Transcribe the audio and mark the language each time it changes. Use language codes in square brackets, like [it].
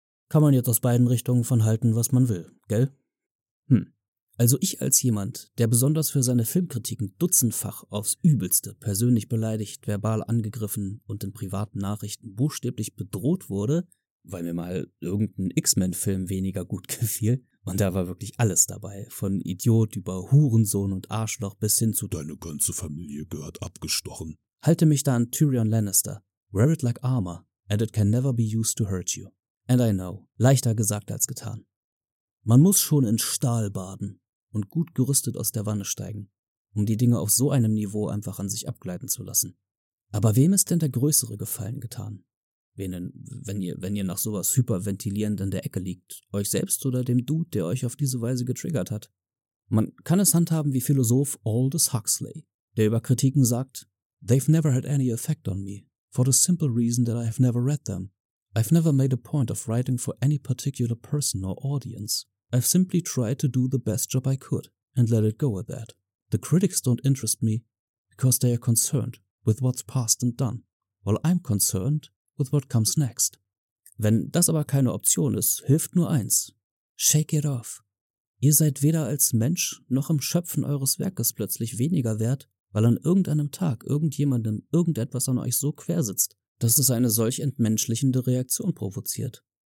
[de] Kann man jetzt aus beiden Richtungen von halten, was man will, gell? Also ich als jemand, der besonders für seine Filmkritiken dutzendfach aufs Übelste persönlich beleidigt, verbal angegriffen und in privaten Nachrichten buchstäblich bedroht wurde, weil mir mal irgendein X-Men-Film weniger gut gefiel, und da war wirklich alles dabei, von Idiot über Hurensohn und Arschloch bis hin zu Deine ganze Familie gehört abgestochen, halte mich da an [en] Tyrion Lannister, wear it like armor, and it can never be used to hurt you. And I know, [de] leichter gesagt als getan. Man muss schon in Stahl baden und gut gerüstet aus der Wanne steigen, um die Dinge auf so einem Niveau einfach an sich abgleiten zu lassen. Aber wem ist denn der größere Gefallen getan? Wen denn, wenn ihr nach sowas hyperventilierend in der Ecke liegt? Euch selbst oder dem Dude, der euch auf diese Weise getriggert hat? Man kann es handhaben wie Philosoph Aldous Huxley, der über Kritiken sagt, [en] They've never had any effect on me, for the simple reason that I have never read them. I've never made a point of writing for any particular person or audience. I've simply tried to do the best job I could and let it go at that. The critics don't interest me because they are concerned with what's past and done, while I'm concerned with what comes next. [de] Wenn das aber keine Option ist, hilft nur eins. [en] Shake it off. [de] Ihr seid weder als Mensch noch im Schöpfen eures Werkes plötzlich weniger wert, weil an irgendeinem Tag irgendjemandem irgendetwas an euch so quer sitzt, dass es eine solch entmenschlichende Reaktion provoziert.